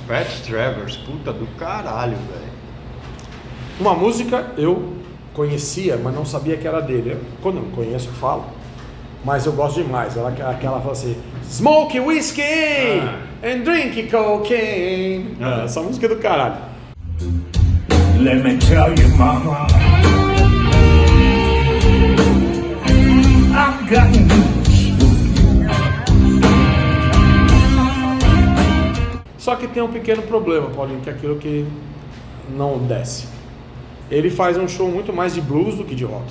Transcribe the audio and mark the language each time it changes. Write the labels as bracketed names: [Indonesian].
[Portuguese] Pat Travers, puta do caralho, velho. Uma música eu conhecia, mas não sabia que era dele. Quando eu conheço, eu falo. Mas eu gosto demais, aquela fala assim, [English] smoke whiskey and drink cocaine. [Portuguese] Essa música é do caralho. [English] Let me tell you, mama, I've got news. [Portuguese] Só que tem um pequeno problema, Paulinho, que é aquilo que não desce. Ele faz um show muito mais de blues do que de rock.